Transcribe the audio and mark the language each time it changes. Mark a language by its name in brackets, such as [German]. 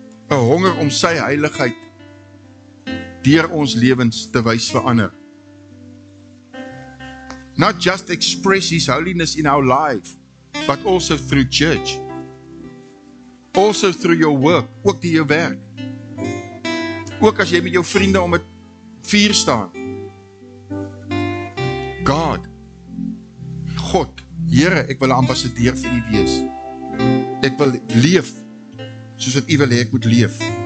[Afrikaans] 'n Honger om sy heiligheid deur ons lewens te wys vir ander. [English] Not just express his holiness in our life, but also through church. Also through your work, [Afrikaans] ook die jou werk. Ook as jy met jou vriende om 'n vuur staan. God, Here, ek wil 'n ambassadeur vir U wees. Ek wil leef soos wat U wil hê ek moet leef.